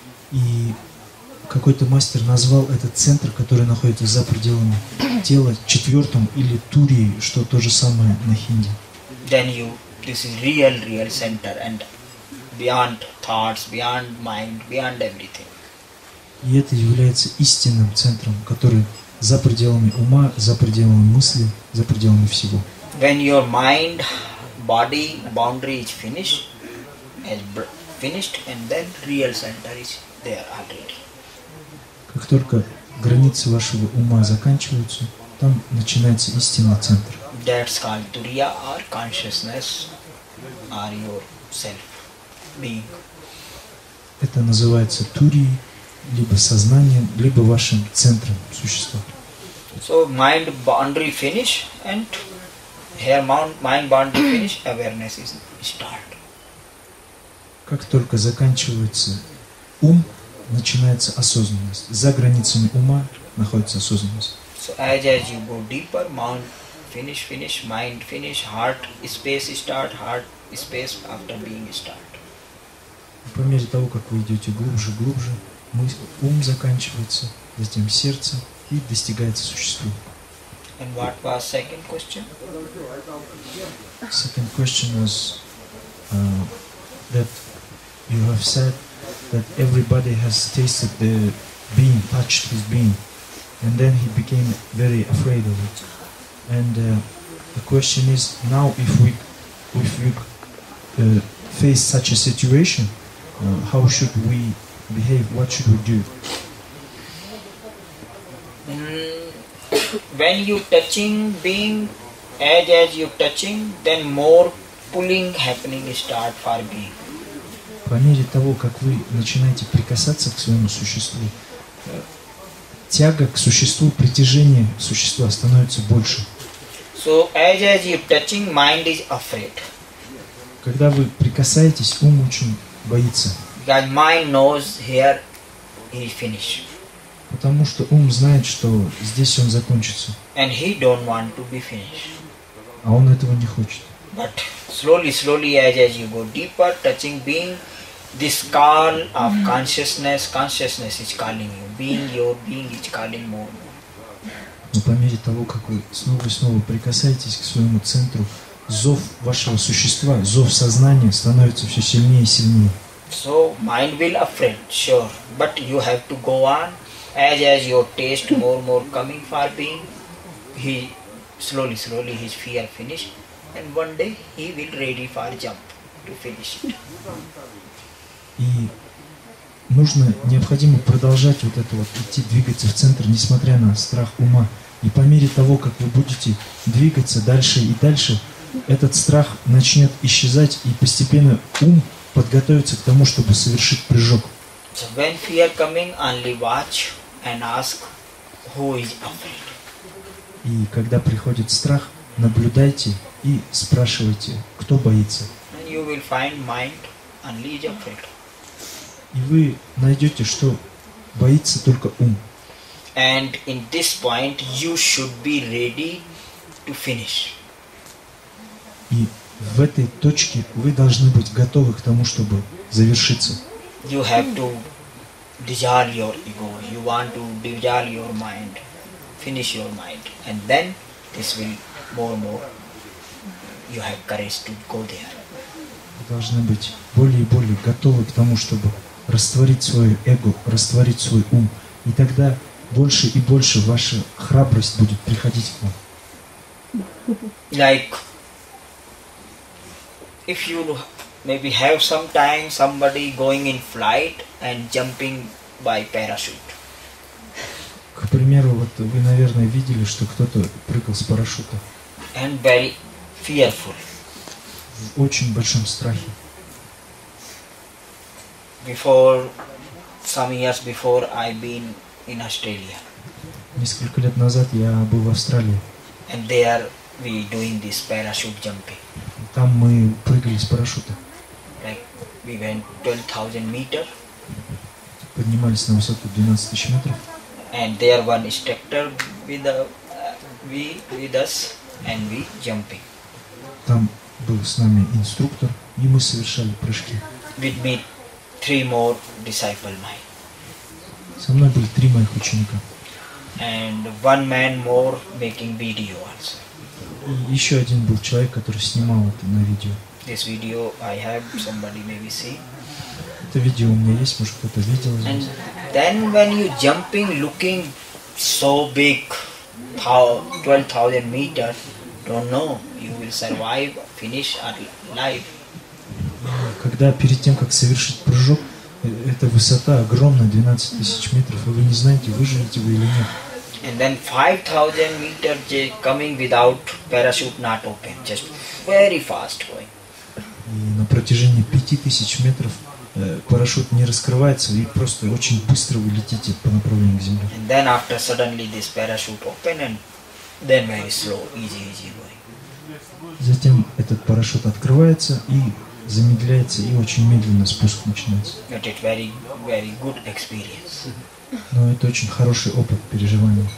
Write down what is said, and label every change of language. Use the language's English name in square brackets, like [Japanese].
[Russian] И какой-то мастер назвал этот центр, который находится за пределами тела, четвертым или турией, что то же самое на хинди. [English] Then you, this is real, real center and beyond thoughts, beyond mind, beyond everything. [Russian] И это является истинным центром, который за пределами ума, за пределами мысли, за пределами всего. [English] When your mind, body, boundary is finished, finished, and then real center is there already. [Russian] Как только границы вашего ума заканчиваются, там начинается истинный центр. [English] That's called turiya or consciousness or your self being. [Russian] Это называется турией, либо сознанием, либо вашим центром существа. [English] So mind boundary finish and here mind boundary finish awareness is start. [Russian] Как только заканчивается ум, начинается осознанность. За границами ума находится осознанность. [English] So as you go deeper, mind finish, mind finish, heart space start, heart space after being start. [Russian] По мере того, как вы идете глубже, ум заканчивается, затем сердце и достигается существо. [English] And what was second question? Second question was that you have said that everybody has tasted the being, touched his being, and then he became very afraid of it. And the question is now, if we face such a situation, how should we behave? What should we do? When you touching being, as you touching, then more pulling happening start for being. [Russian] По мере того, как вы начинаете прикасаться к своему существу, тяга к существу, притяжение существа становится больше. [English] So as you touching, mind is afraid. [Russian] Когда вы прикасаетесь, ум очень боится. [English] Because mind knows here he finish. [Russian] Потому что ум знает, что здесь он закончится. [English] And he don't want to be finished. [Russian] А он этого не хочет. [English] But slowly as you go deeper, touching being, this call of consciousness is calling you. Being, your being is calling more. [Russian] Но по мере того, как вы снова и снова прикасаетесь к своему центру, зов вашего существа, зов сознания становится все сильнее и сильнее. [English] So mind will afraid, sure. But you have to go on. As your taste more coming for being, he slowly his fear finish, and one day he will ready for jump to finish it. [Russian] И нужно, необходимо продолжать вот это вот идти, двигаться в центр, несмотря на страх ума. И по мере того, как вы будете двигаться дальше и дальше, этот страх начнет исчезать, и постепенно ум подготовится к тому, чтобы совершить прыжок. [English] So when fear coming, only watch and ask who is afraid. [Russian] И когда приходит страх, наблюдайте и спрашивайте, кто боится. [English] And you will find mind only is afraid. [Russian] И вы найдете, что боится только ум. [English] And in this point you should be ready to finish. [Russian] И в этой точке вы должны быть готовы к тому, чтобы завершиться. [English] You have to dissolve your ego. You want to dissolve your mind, finish your mind, and then this will more. You have courage to go there. [Russian] Вы должны быть более и более готовы к тому, чтобы растворить свое эго, растворить свой ум, и тогда больше и больше ваша храбрость будет приходить к вам. [English] Like, if you maybe have some time, somebody going in flight and jumping by parachute. [Russian] К примеру, вот вы, наверное, видели, что кто-то прыгал с парашюта. [English] And very fearful. [Russian] В очень большом страхе. [English] Before, some years before, I been in Australia. [Russian] Несколько лет назад я был в Австралии. [English] And there we doing this parachute jumping. [Russian] Там мы прыгали с парашюта. [English] Like we went 12,000 meters. [Russian] Поднимались на высоту 12 тысяч метров. [English] And there one instructor with us and we jumping. [Russian] Там был с нами инструктор, и мы совершали прыжки. [English] With me three more disciple mine. [Russian] Со мной были три моих ученика. [English] And one man more making video also. [Russian] Еще один был человек, который снимал это на видео. [English] This video I have, somebody maybe see. [Russian] Это видео у меня есть, может кто-то видел. [English] And then when you jumping, looking so big, 12,000 meters, don't know, you will survive, finish or live. [Russian] Когда перед тем, как совершить прыжок, эта высота огромная, 12 тысяч метров, и вы не знаете, выживете вы или нет. [English] And then 5,000 meters coming without parachute not open, just very fast going. [Russian] И на протяжении 5000 метров парашют не раскрывается, вы просто очень быстро улетите по направлению к земле. [English] And then after suddenly this parachute open and then very slow, easy, easy going. [Russian] Затем этот парашют открывается и замедляется, и очень медленно спуск начинается. [English] But it very, very good experience. [Russian] Но это очень хороший опыт переживания.